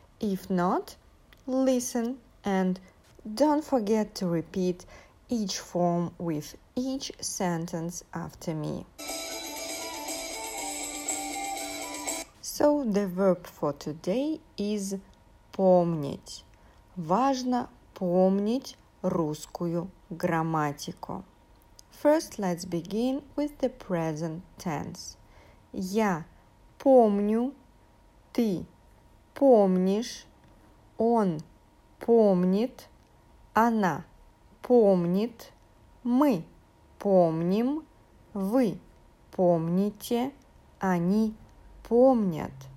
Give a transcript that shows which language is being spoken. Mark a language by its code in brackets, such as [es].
[en] If not, listen and don't forget to repeat each form with each sentence after me. So the verb for today is помнить. [ru] Важно помнить русскую грамматику. [en] First, let's begin with the present tense. [ru] Я помню, ты помнишь, он помнит, она помнит, мы помним, вы помните, они помнят.